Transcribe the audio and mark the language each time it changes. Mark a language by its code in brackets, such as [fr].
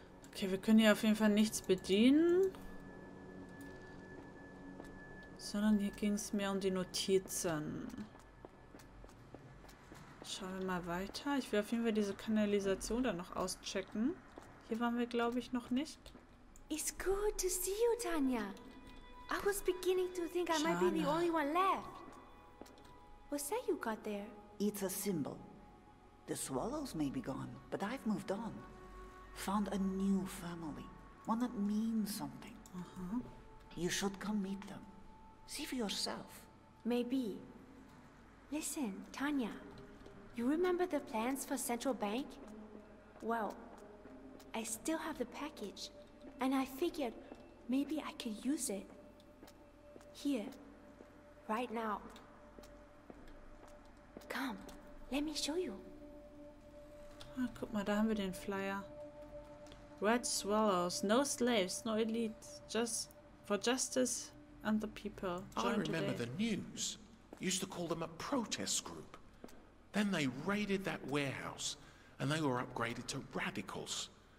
[de] Okay, wir können hier auf jeden Fall nichts bedienen. Sondern hier ging es mehr um die Notizen. Schauen wir mal weiter. Ich will auf jeden Fall diese Kanalisation dann noch auschecken. Hier waren wir, glaube ich, noch nicht. [en] It's good to see you, Tanya. I was beginning to think I might be the only one left. What's that you got there? It's a symbol. The swallows may be gone, but I've moved on. Found a new family. One that means something. You should come meet them. See for yourself. Maybe. Listen, Tanya. You remember the plans for Central Bank? Well, I still have the package, and I figured maybe I could use it. Here, right now. Come, let me show you. [de] Ah, guck mal, da haben wir den Flyer. [en] Red Swallows, no slaves, no elite, just for justice and the people. I remember the news. Used to call them a protest group. Then they raided that warehouse, and they were upgraded to radicals.